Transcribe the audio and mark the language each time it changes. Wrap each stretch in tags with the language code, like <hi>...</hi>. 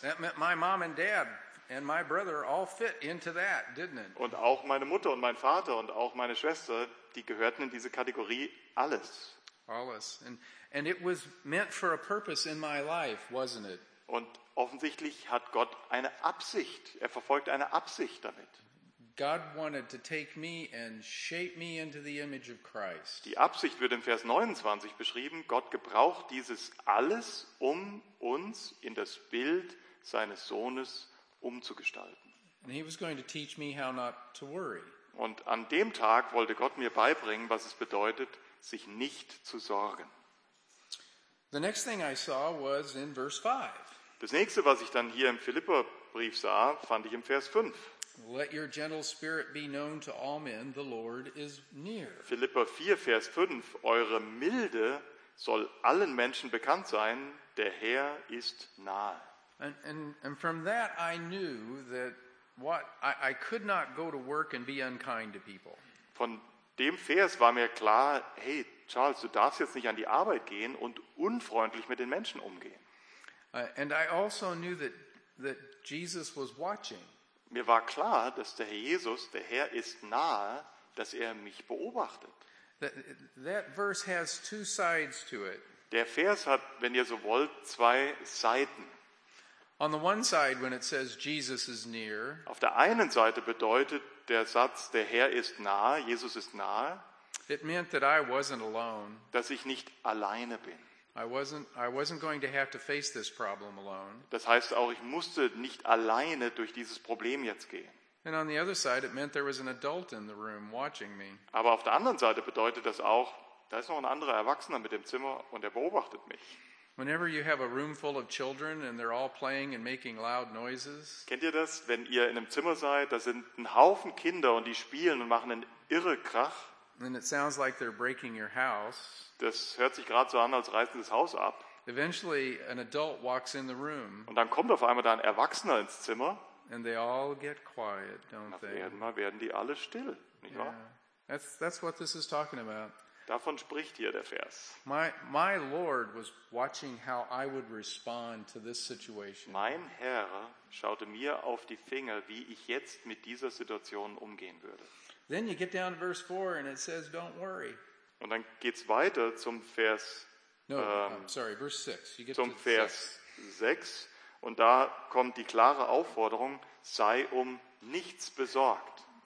<en>That meant my mom and dad and my brother all fit into that, didn't it?</en> <de>Und auch meine Mutter und mein Vater und auch meine Schwester, die gehörten in diese Kategorie alles. Alles.</de> <en>And it was meant for a purpose in my life, wasn't it?</en> <de>Und offensichtlich hat Gott eine Absicht. Er verfolgt eine Absicht damit.</de> <en>God wanted to take me and shape me into the image of Christ.</en> <de>Die Absicht wird im Vers 29 beschrieben. Gott gebraucht dieses alles, um uns in das Bild seines Sohnes umzugestalten.</de> <en>And he was going to teach me how not to worry.</en> <de>Und an dem Tag wollte Gott mir beibringen, was es bedeutet, sich nicht zu sorgen.</de> <en>The next thing I saw was in verse 5.</en> <de>Das nächste, was ich dann hier im Philipperbrief sah, fand ich im Vers 5.</de> <en>Let your gentle spirit be known to all men, the Lord is near.</en> <de>Philipper 4, Vers 5, eure Milde soll allen Menschen bekannt sein, der Herr ist nahe.</de> <en>And from that I knew that what I could not go to work and be unkind to people.</en> <de>Von dem Vers war mir klar, hey Charles, du darfst jetzt nicht an die Arbeit gehen und unfreundlich mit den Menschen umgehen.</de> <en>And I also knew that Jesus was watching.</en> <de>Mir war klar, dass der Herr Jesus, der Herr ist nahe, dass er mich beobachtet.</de> <en>That verse has two sides to it.</en> <de>Der Vers hat, wenn ihr so wollt, zwei Seiten.</de> <en>On the one side, when it says Jesus is near,</en> <de>auf der einen Seite bedeutet der Satz, der Herr ist nahe, Jesus ist nahe,</de> <en>it meant that I wasn't alone.</en> <de>Dass ich nicht alleine bin.</de> <en>I wasn't going to have to face this problem alone.</en> <de>Das heißt auch, ich musste nicht alleine durch dieses Problem jetzt gehen.</de> <en>And on the other side, it meant there was an adult in the room watching me.</en> <de>Aber auf der anderen Seite bedeutet das auch, da ist noch ein anderer Erwachsener mit dem Zimmer und er beobachtet mich.</de> <en>Whenever you have a room full of children and they're all playing and making loud noises.</en> <de>Kennt ihr das, wenn ihr in einem Zimmer seid, da sind ein Haufen Kinder und die spielen und machen einen irre Krach?</de> <en>And it sounds like they're breaking your house.</en> <de>Das hört sich gerade so an, als reißen sie das Haus ab.</de> <en>Eventually, an adult walks in the room.</en> <de>Und dann kommt auf einmal da ein Erwachsener ins Zimmer.</de> <en>And they all get quiet, don't they?</en> <de>Werden die alle still, nicht wahr?</de> <en>That's what this is talking about.</en> <de>Davon spricht hier der Vers.</de> <en>My Lord was watching how I would respond to this situation.</en> <de>Mein Herr schaute mir auf die Finger, wie ich jetzt mit dieser Situation umgehen würde.</de> <en>Then you get down to verse 4 and it says don't worry.</en> <de>Und dann geht's weiter zum Vers</de> <en>verse 6. You get</en> <de>zum to Vers 6 und da kommt die klare Aufforderung, sei um nichts besorgt.</de>